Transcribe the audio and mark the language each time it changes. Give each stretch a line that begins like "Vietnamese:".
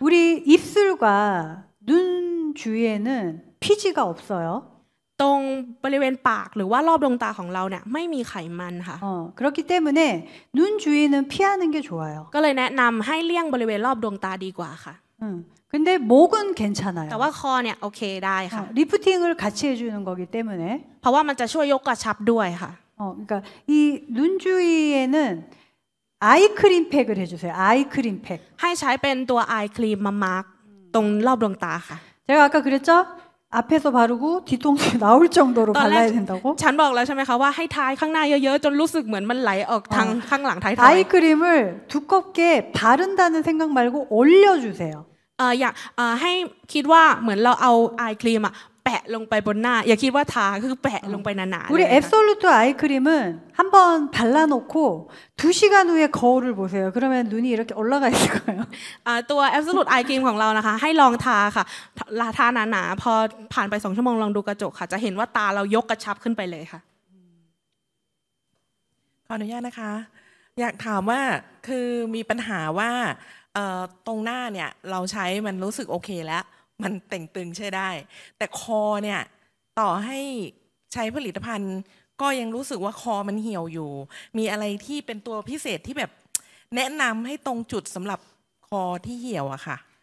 Korean: 우리입술과눈주위에는피지가없어요
Thai: ตรงบริเวณปากหรือว่ารอบดวงตาของเราเนี่ยไม่มีไขมันค่ะ
Korean: คือ기때문에눈주위는피하는게좋아요
Thai: ก็เลยแนะนำให้เลี่ยงบริเวณรอบดวงตาดีกว่าค่ะ
Korean: 근데목은괜찮아요
Thai: แต่ว่าคอเนี่ยโอเคได้ค่ะ
Korean: 리프팅을같이해주는거기때문에
Thai: เพราะว่ามันจะช่วยยกกระชับด้วยค่ะ
Korean: 그러니까이눈주위에는아이크림팩을해주세요아이크림팩
Thai: ให้ใช้เป็นตัวอายครีมมา mark ตรงรอบดวงตาค่ะ
Korean: 제가아까그랬죠앞에서바르고뒤통수나올정도로발라야된다고
Thai: ฉันบอกแล้วใช่ไหมคะว่าให้ทายข้างหน้าเยอะๆจนรู้สึกเหมือนมันไหลออกทางข้างหลังท้าย
Korean: อายครีม을두껍게바른다는생각말고올려주세요
Thai: อย่าให้คิดว่าเหมือนเราเอาอายครีมอะแปะลงไปบนหน้าอย่าคิดว่าทาคือแปะลงไปหนา
Korean: ๆ우리 absolute eye cream 은한번발라놓고2시간후에거울을보세요그러면눈이이렇게올라가있을거예요
Thai: ตัว absolute eye cream ของเรานะคะให้ลองทาค่ะทาหนาๆพอผ่านไป2ชั่วโมงลองดูกระจกค่ะจะเห็นว่าตาเรายกกระชับขึ้นไปเลยค่ะ ขออนุญาตนะคะอยากถามว่าคือมีปัญหาว่าตรงหน้าเนี่ยเราใช้มันรู้สึกโอเคแล้วมันเต่งตึงใช่ได้แต่คอเนี่ยต่อให้ใช้ผลิตภัณฑ์ก็ยังรู้สึกว่าคอมันเหี่ยวอยู่มีอะไรที่เป็นตัวพิเศษที่แบบแนะนำให้ตรงจุดสำหรับคอที่เหี่ยวอะค่ะ